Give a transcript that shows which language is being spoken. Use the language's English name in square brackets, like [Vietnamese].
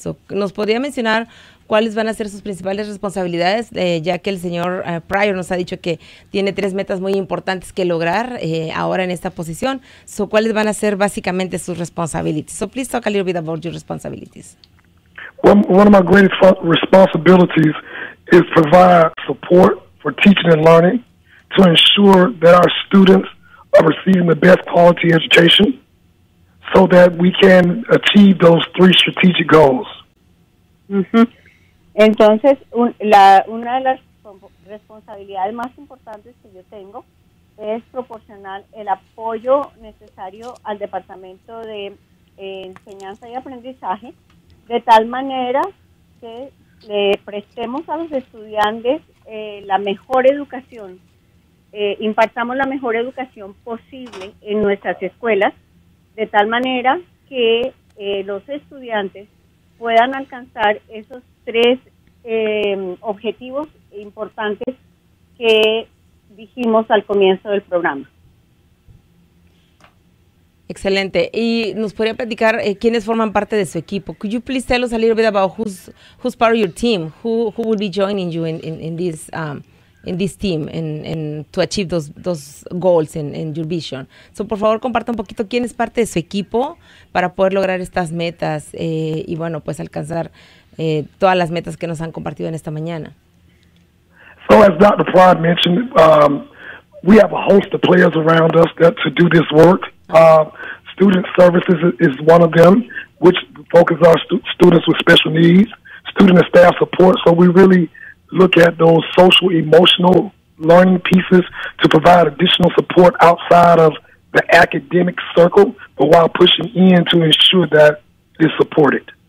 [Spanish] So nos podría mencionar cuáles van a ser sus principales responsabilidades, ya que el señor Pryor nos ha dicho que tiene tres metas muy importantes que lograr ahora en esta posición. So cuáles van a ser básicamente sus responsabilities? [English] So please talk a little bit about your responsibilities. One of my greatest responsibilities is provide support for teaching and learning to ensure that our students are receiving the best quality education so that we can achieve those three strategic goals. Mm-hmm. [Spanish] Entonces, una de las responsabilidades más importantes que yo tengo es proporcionar el apoyo necesario al Departamento de Enseñanza y Aprendizaje de tal manera que le prestemos a los estudiantes la mejor educación, impartamos la mejor educación posible en nuestras escuelas, de tal manera que los estudiantes puedan alcanzar esos tres objetivos importantes que dijimos al comienzo del programa. Excelente. Y nos podría platicar quiénes forman parte de su equipo. [English] Could you please tell us a little bit about who's part of your team? Who will be joining you in this team and to achieve those goals and your vision? [Spanish] So, por favor, comparta un poquito quién es parte de su equipo para poder lograr estas metas y bueno, pues alcanzar todas las metas que nos han compartido en esta mañana. [English] So as Dr. Pryor mentioned, we have a host of players around us that to do this work. Student services is one of them, which focuses on students with special needs. Student and staff support, so we really look at those social emotional learning pieces to provide additional support outside of the academic circle, but while pushing in to ensure that it's supported.